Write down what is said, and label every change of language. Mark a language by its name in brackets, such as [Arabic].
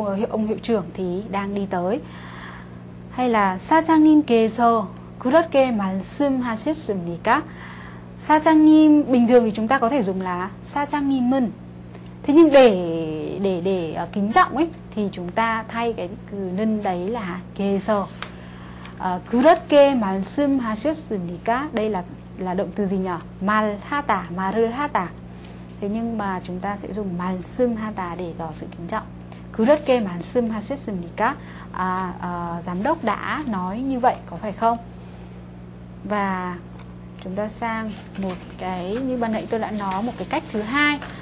[Vietnamese] Ông hiệu trưởng thì đang đi tới. Hay là [Korean] 사장님께서 그렇게 말씀하셨습니까? [Vietnamese] 사장님 bình thường thì chúng ta có thể dùng là 사장님은. Thế nhưng để kính trọng ấy thì chúng ta thay cái từ nên đấy là 계서. [Korean] 그렇게 말씀하셨습니까? [Vietnamese] Đây là động từ gì nhỉ? [Korean] 말하다, 말을 하다. [Vietnamese] Thế nhưng mà chúng ta sẽ dùng 말씀하다 để tỏ sự kính trọng. [Korean] 그렇게 말씀하셨습니까? [Vietnamese] Giám đốc đã nói như vậy có phải không? Và chúng ta sang một cái, như ban nãy tôi đã nói, một cái cách thứ hai.